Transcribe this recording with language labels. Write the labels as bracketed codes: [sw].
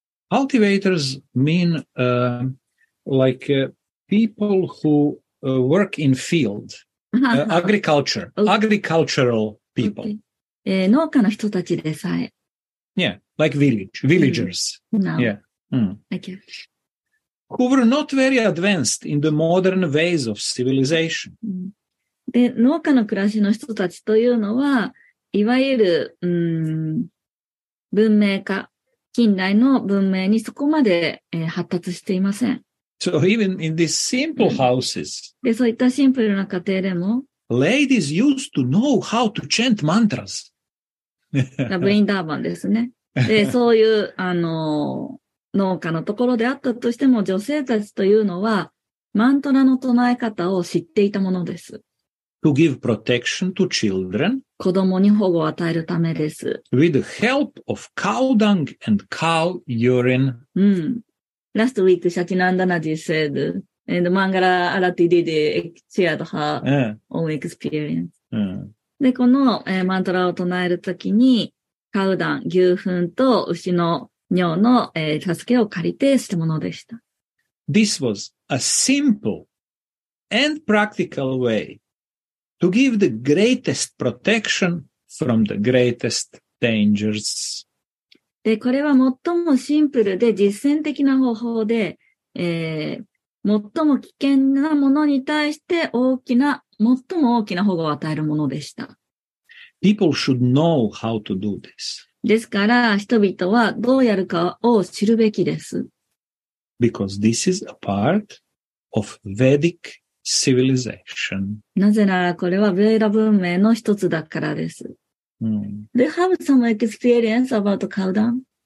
[en] Cultivators mean like people who work in field, agriculture, agricultural people. Okay. [ja] 農家の人たちでさえ。 [en] Yeah, like villagers. No. Yeah. Thank you. Who were not very advanced in the modern ways of civilization. [ja] で、農家の暮らしの人たちというのは、いわゆる、文明化、近代の文明にそこまで、発達していません。 [en] So even in these simple houses, [ja] で、そういったシンプルな家庭でも、 [en] ladies used to know how to chant mantras. [ja] ブリンダーバンですね。で、そういう、農家のところであったとしても、女性たちというのは、マントラの唱え方を知っていたものです。 [en] To give protection to children. [ja] 子供に保護を与えるためです。 [en] With the help of cow dung and cow urine. Last week, Shachinandanaji said, and Mangala Arati did shared her own experience. [ja] で、この、マントラを唱えるときに、カウダン、牛糞と牛の尿の、助けを借りてしたものでした。 [en] This was a simple and practical way to give the greatest protection from the greatest dangers. [ja] で、これは最もシンプルで実践的な方法で、最も危険なものに対して大きな、最も大きな保護を与えるものでした。 [en] People should know how to do this. [ja] ですから、人々はどうやるかを知るべきです。 [en] Because this is a part of Vedic civilization. [ja] なぜならこれはヴェーダ文明の一つだからです。 Mm. [en] Do you have some experience about cow dung?